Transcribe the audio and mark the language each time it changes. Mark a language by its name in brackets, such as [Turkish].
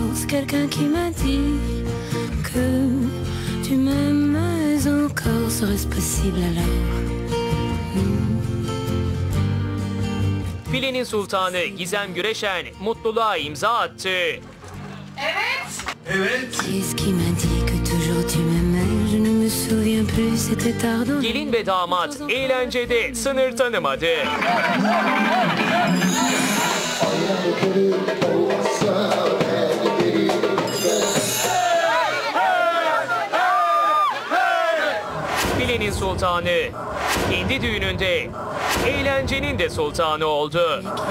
[French] Quelqu'un qui m'a dit que tu m'aimes encore, serait-ce possible alors? [Turkish] Filenin sultanı Gizem Güreşen mutluluğa imza attı. Evet. Evet. [French] Qu'est-ce qui m'a dit que toujours tu m'aimes? Je ne me souviens plus, c'était tard. [Turkish] Gelin ve damat eğlencede sınır tanımadı. Filenin sultanı kendi düğününde eğlencenin de sultanı oldu.